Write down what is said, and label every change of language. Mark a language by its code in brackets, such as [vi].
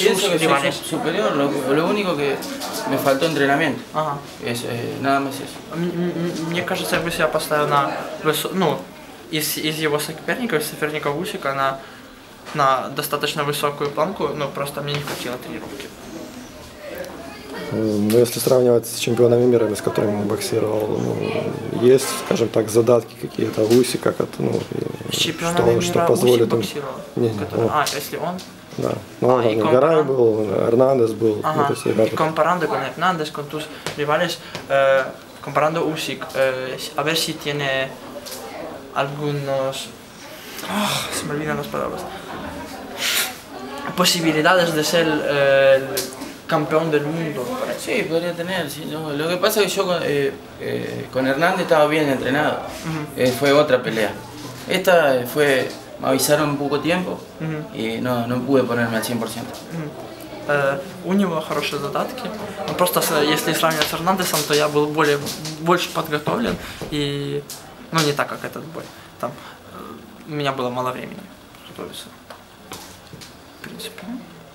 [es] ¿En qué nivel te ves entre sus rivales? Superior, lo único que me faltó entrenamiento. Es, nada más eso. [ru] Мне кажется, я бы себя поставил на высокую, ну, из его соперников Усика, на достаточно высокую планку, но просто мне не хватило тренировки. Ну, если сравнивать с чемпионами мира, с которыми он боксировал, ну, есть, скажем так, задатки какие-то у Усика, ну, что позволит ему... С чемпионами мира Усик боксировал? А, если он? Да. Ну, а, он, Гарай был, Эрнандес был. Ага. Ну, есть, и [es] компаранда con Эрнандес, con tus rivales, компаранда Усик, a ver si tiene algunos... Ох, se me olvidan las palabras. Posibilidades de ser... campeón del mundo. Sí, podría tener, sí, no. Lo que pasa es que yo con Hernández estaba bien entrenado. Fue otra pelea. Esta fue, me avisaron poco tiempo y no pude ponerme al 100%. [ru] У него хорошие задатки. Но просто если сравнивать с Эрнандесом, то я был больше подготовлен и, ну, не так, как этот бой. Там у меня было мало времени готовиться. В принципе.